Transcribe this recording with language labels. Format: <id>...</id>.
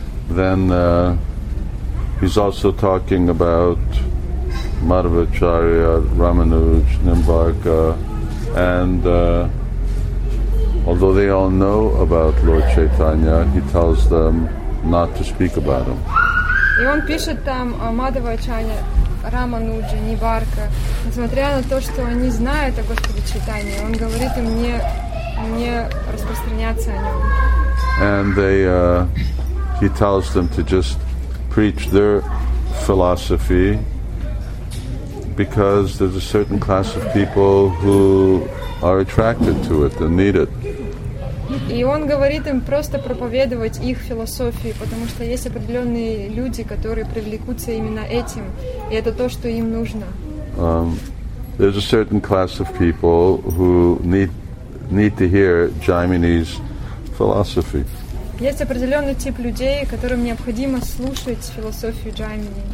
<en>Then he's also talking about Madhvacharya, Ramanuj, Nimbarka, and although they all know about Lord Chaitanya, he tells them not to speak about him.</en> <ru>И он пишет там о Мадхвачарье, Рамануджи, Нимбарка, несмотря на то, что они знают о Господе Чайтанье, он говорит им не распространяться о нем.</ru> <en>And they he tells them to just preach their philosophy because there's a certain class of people who are attracted to it and need it.</en> <ru>И он говорит им просто проповедовать их философию, потому что есть определенные люди, которые привлекутся именно этим, и это то, что им нужно.</ru> <en>There's a certain class of people who need to hear Jaimini's philosophy.</en> <ru>Есть определенный тип людей, которым необходимо слушать философию Джаймини.</ru>